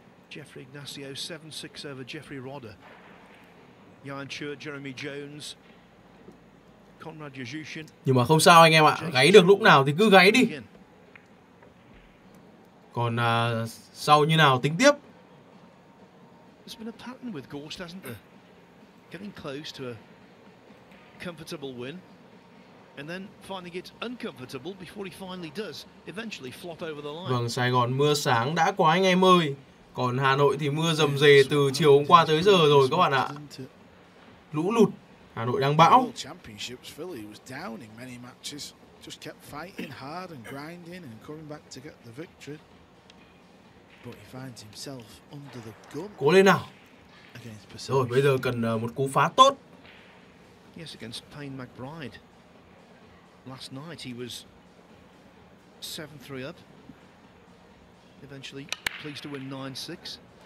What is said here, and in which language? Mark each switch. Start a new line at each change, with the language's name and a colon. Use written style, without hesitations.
English: Jeffrey Ignacio 7-6 over Jeffrey Rodder. Johan Chua, Jeremy Jones, Konrad Yazushin.
Vietnamese: Nhưng mà không sao anh em ạ, gáy được lúc nào thì cứ gáy đi. Còn sau như nào tính tiếp.
English: It's been a pattern with Gorst, hasn't it? Getting close to a comfortable win and then finally gets uncomfortable before he finally does eventually flop over the line.
Vietnamese: Vâng, Sài Gòn mưa sáng đã quá anh em ơi. Còn Hà Nội thì mưa dầm dề từ chiều hôm qua tới giờ rồi các bạn ạ. Lũ lụt, Hà Nội đang bão.
English: Championships Philly was down in many matches, just kept fighting hard and grinding and coming back to get the victory. But he finds himself under the gun.
Vietnamese: Cố lên nào. Rồi bây giờ cần một cú phá tốt.
English: Yes, against Payne McBride. Last night he was 7-3 up. Eventually pleased to win 9-6.